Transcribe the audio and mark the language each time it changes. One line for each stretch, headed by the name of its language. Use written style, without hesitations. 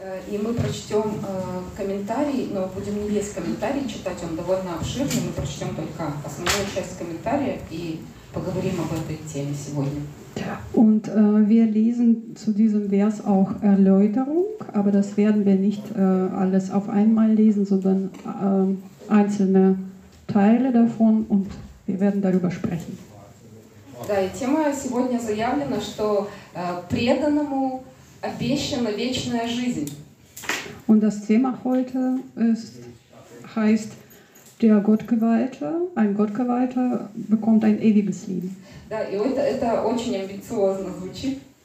Russian: И мы прочтем комментарий, но будем не весь комментарий читать, он довольно обширный, мы прочтем только основную часть комментария и поговорим об этой теме сегодня.
German: Und wir lesen zu diesem Vers auch Erläuterung, aber das werden wir nicht alles auf einmal lesen, sondern einzelne Teile davon und wir werden darüber sprechen.
Russian: Да, и тема сегодня заявлена, что преданному обещана вечная жизнь.
German: Und das Thema heute heißt, der Gottgeweihte, ein Gottgeweihter bekommt ein ewiges Leben.
Russian: Да, и это очень амбициозно звучит.